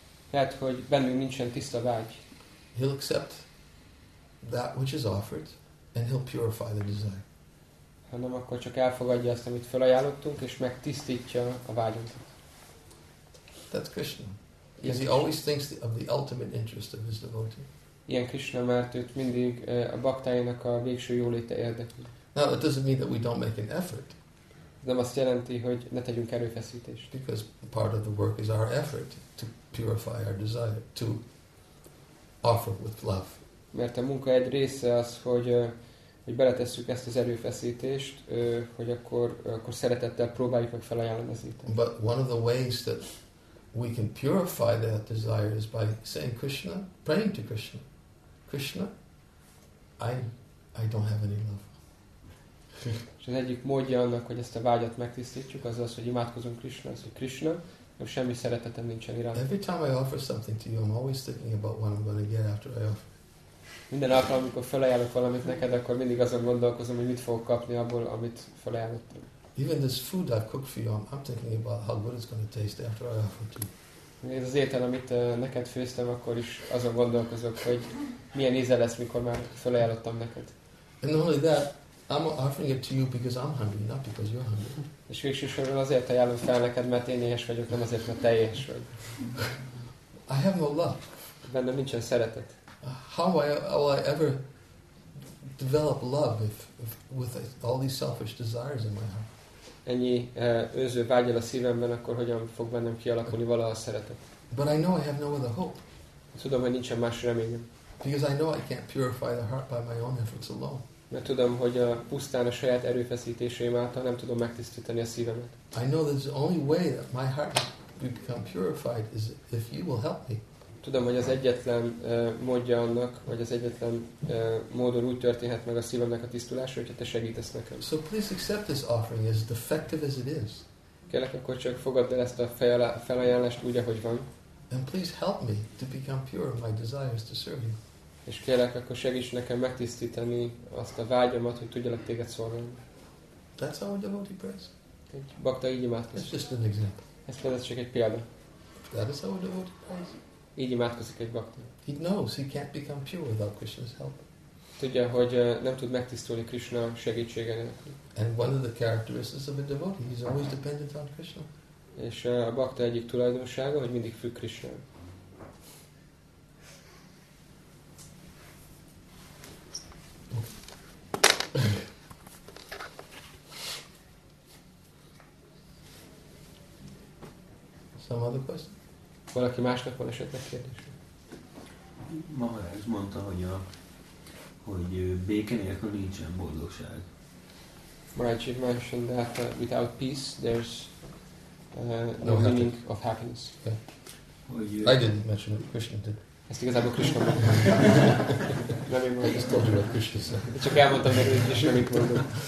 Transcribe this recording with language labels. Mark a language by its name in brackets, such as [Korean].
[Hungarian] Lehet, hogy bennünk nincsen tiszta vágy. [English] He'll accept that which is offered, and he'll purify the desire. [Hungarian] Hanem akkor csak elfogadja azt, amit felajánlottunk, és megtisztítja a vágyunkat. [English] That's Krishna. Because he always thinks of the ultimate interest of his devotee. [Hungarian] Ilyen Krishna, mert őt mindig a baktájának a végső jóléte érdekli. [English] Now, that doesn't mean that we don't make an effort. [Hungarian] Nem azt jelenti, hogy ne tegyünk erőfeszítést. [English] Because part of the work is our effort to purify our desire, to offer with love. [Hungarian] Mert a munka egy része az, hogy beletesszük ezt az erőfeszítést, hogy akkor szeretettel próbáljuk meg felajánlani az ételt. [English] But one of the ways that we can purify that desire is by saying praying to Krishna, Krishna, I don't have any love. [Hungarian] És az egyik módja annak, hogy ezt a vágyat megtisztítjuk, az az, hogy imádkozunk Krishna, az, hogy Krishna, és semmi szeretetem nincsen iránt. [English] Every time I offer something to you, I'm always thinking about what I'm going to get after I offer. [Hungarian] Minden alkalom, amikor felajánlok valamit neked, akkor mindig azon gondolkozom, hogy mit fogok kapni abból, amit felajánlottam. [English] Even this food I cook for you, I'm thinking about how good it's going to taste after I offer to you. [Hungarian] Ez az étel, amit neked főztem, akkor is azon gondolkozok, hogy milyen íze lesz, mikor már felajánlottam neked. [English] And only that, I'm offering it to you because I'm hungry, not because you're hungry. [Hungarian] És végsősorban azért ajánlom fel neked, mert én éhes vagyok, nem azért, mert te éhes vagy. [English] I have no love. [Hungarian] Bennem nincsen szeretet. [English] How will I ever develop love if with all these selfish desires in my heart? [Hungarian] Ennyi önző vágyal a szívemben, akkor hogyan fog bennem kialakulni valaha a szeretet? [English] But I know I have no other hope. [Hungarian] Tudom, hogy nincsen más reményem. [English] Because I know I can't purify the heart by my own efforts alone. [Hungarian] Mert tudom, hogy a pusztán a saját erőfeszítéseim által nem tudom megtisztítani a szívemet. [English] I know that the only way that my heart will become purified is if you will help me. [Hungarian] Tudom, hogy az egyetlen módja annak, vagy az egyetlen módon úgy történhet meg a szívemnek a tisztulása, hogyha te segítesz nekem. [English] So please accept this offering as defective as it is. [Hungarian] Kérlek, akkor csak fogadd el ezt a felajánlást úgy, ahogy van. [English] And please help me to become pure in my desires to serve you. [Hungarian] És kérlek, akkor segíts nekem megtisztítani azt a vágyamat, hogy tudjalak téged szolgálni. [English] That's how a devotee prays. [Hungarian] Egy bakta így imádkozik. [English] It's just an example. [Hungarian] Ez csak egy példa. [English] That is how a devotee prays. [Hungarian] Így imádkozik egy bakta. [English] He knows he can't become pure without Krishna's help. [Hungarian] Tudja, hogy nem tud megtisztulni Krishna segítsége nélkül. [English] And one of the characteristics of a devotee, he's always dependent on Krishna. [Hungarian] És a bakta egyik tulajdonsága, hogy mindig függ Krishna. [English] Some other question? [Hungarian] Valaki másnak van esetleg kérdés? Maharaj mondta, hogy béke nélkül nincsen boldogság. [English] Maharaj mentioned that without peace there's no meaning of happiness. Yeah. I didn't mention it, Krishna did. [Hungarian] Ezt igazából Krishna mondta. Nem én mondtam. [English] I just told you about Krishna. So. [Hungarian] Csak elmondtam neki, hogy Krishna mit mondott.